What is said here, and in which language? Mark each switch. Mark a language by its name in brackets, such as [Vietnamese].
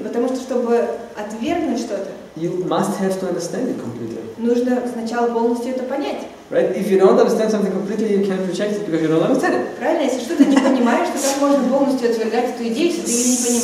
[Russian] потому что чтобы отвергнуть что-то, [English] you must have to understand it completely. [Russian] Нужно сначала полностью это понять. [English] Right? If you don't understand something completely, you can't reject it because you don't understand it. [Russian] Правильно, если что-то не понимаешь, то как можно полностью отвергать эту идею, если ты ее не понимаешь?